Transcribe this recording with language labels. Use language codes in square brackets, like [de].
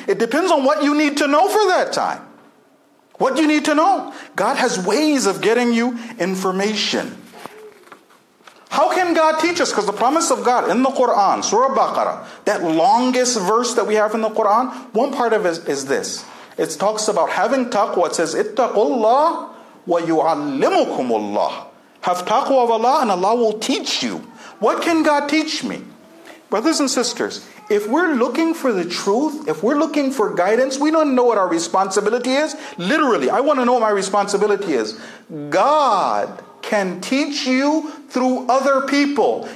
[en] It depends on what you need to know for that time. What you need to know. God has ways of getting you information. How can God teach us? Because the promise of God in the Quran, Surah Baqarah, that longest verse that we have in the Quran, one part of it is this. It talks about having taqwa. It says, [ar] اتَّقُوا اللَّهِ وَيُعَلِّمُكُمُ اللَّهِ. [en] Have taqwa of Allah and Allah will teach you. What can God teach me? Brothers and sisters, if we're looking for the truth, if we're looking for guidance, we don't know what our responsibility is. Literally, I want to know what my responsibility is. God can teach you through other people.